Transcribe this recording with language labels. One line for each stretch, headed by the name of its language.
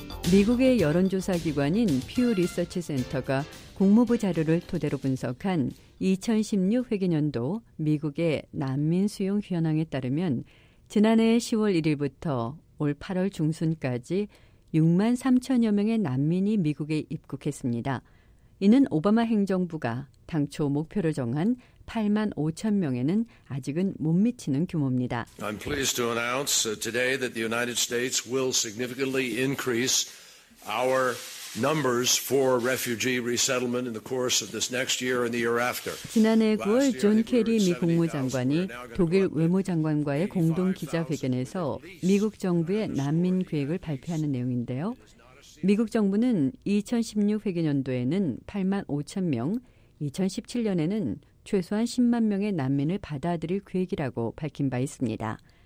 Korean: 미국의 여론조사기관인 퓨 리서치 센터가 국무부 자료를 토대로 분석한 2016 회계연도 미국의 난민 수용 현황에 따르면 지난해 10월 1일부터 올 8월 중순까지 6만 3천여 명의 난민이 미국에 입국했습니다. 이는 오바마 행정부가 당초 목표를 정한 8만 5천 명에는 아직은 못 미치는 규모입니다.
English: I'm pleased to announce today that the United States will significantly increase our numbers for refugee resettlement in the course of this next year and the year after.
Korean: 지난해 9월 존 케리 미 국무장관이 독일 외무장관과의 공동 기자회견에서 미국 정부의 난민 계획을 발표하는 내용인데요. 미국 정부는 2016 회계연도에는 8만 5천 명, 2017년에는 최소한 10만 명의 난민을 받아들일 계획이라고 밝힌 바 있습니다.